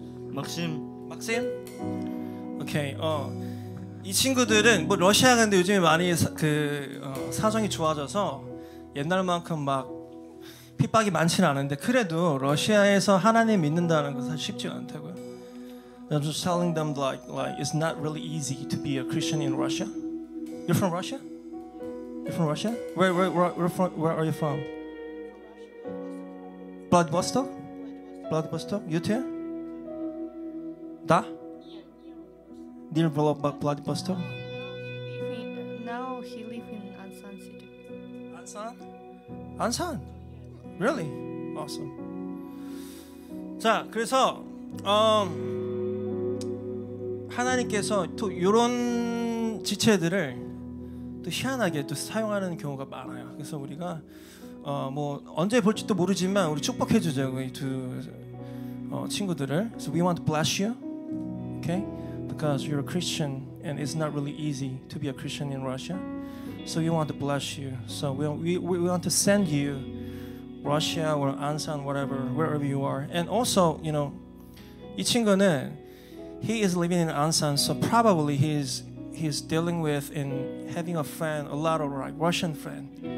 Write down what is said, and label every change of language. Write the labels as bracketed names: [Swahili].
[English] 막심. 막심? Okay. [Korean] 이 친구들은 뭐 러시아 근데 요즘에 많이 사정이 좋아져서 옛날만큼 막 핍박이 많지는 않은데 그래도 러시아에서 하나님 믿는다는 건 사실 쉽지 않다고요. [English] I'm just telling them like it's not really easy to be a Christian in Russia. You're from Russia? You're from Russia? Where are you from? Vladivostok? Vladivostok? You too? Da? Near Vladivostok? No, he lives in Ansan City. Ansan? Ansan? Really? Awesome. [Korean] 자, 그래서 하나님께서 또 이런 지체들을 또 희한하게 또 사용하는 경우가 많아요. 그래서 우리가 뭐 언제 볼지도 모르지만 우리 축복해 주자, 이 두 친구들을. [English] So we want to bless you. Okay? Because you're a Christian and it's not really easy to be a Christian in Russia. So we want to bless you. So we want to send you Russia or Ansan, whatever, wherever you are. And also, you know, [Korean] 이 친구는 [English] he is living in Ansan, so probably he's dealing with and having a friend, a lot of like Russian friend